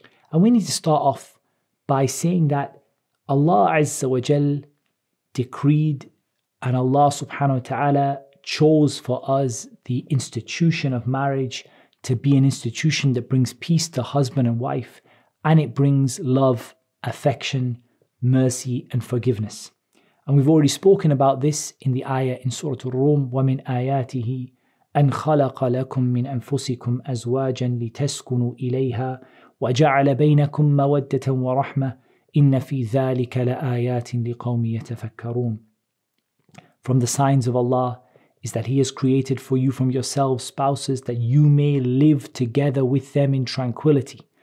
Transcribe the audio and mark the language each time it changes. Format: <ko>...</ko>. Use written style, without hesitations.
<en>And we need to start off by saying that Allah Azza wa Jal decreed and Allah subhanahu wa ta'ala chose for us the institution of marriage to be an institution that brings peace to husband and wife, and it brings love, affection, mercy and forgiveness. And we've already spoken about this in the ayah in Surah Ar-Rum,</en> <ar>وَمِنْ آيَاتِهِ أَنْ خَلَقَ لَكُمْ مِنْ أَنفُسِكُمْ أَزْوَاجًا لِتَسْكُنُوا إِلَيْهَا وَجَعَلَ بَيْنَكُمْ مَوَدَّةً وَرَحْمَةً إِنَّ فِي ذَٰلِكَ لَآيَاتٍ لِقَوْمٍ يَتَفَكَّرُونَ.</ar> <en>From the signs of Allah is that He has created for you from yourselves spouses that you may live together with them in tranquility.</en>